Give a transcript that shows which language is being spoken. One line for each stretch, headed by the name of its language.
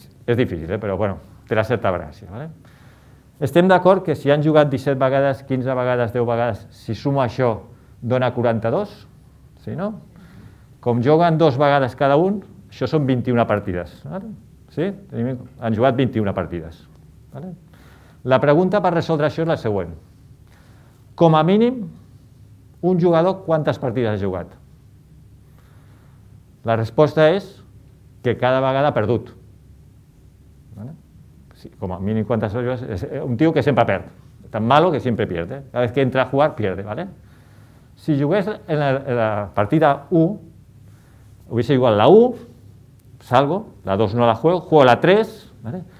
Catalan: És difícil, però bueno, té la certa gràcia, ¿vale? Estem d'acord que si han jugat 17 vegades, 15 vegades, 10 vegades, si sumo això, dona 42? Sí, no? Com juguen dues vegades cada un, això són 21 partides, ¿vale? Sí? Han jugat 21 partides, ¿vale? La pregunta per resoldre això és la següent. Com a mínim, un jugador quantes partides ha jugat? La resposta és que cada vegada ha perdut. Sí, com a mínim quantes vegades... És un tio que sempre perd.
Spanish: Tan malo que sempre pierde. Cada vez que entra a jugar, pierde. ¿Vale?
Catalan: Si jugués en
Spanish: la partida 1, hubiese jugat la 1, salgo, la 2 no la juego, juego la 3, ¿vale?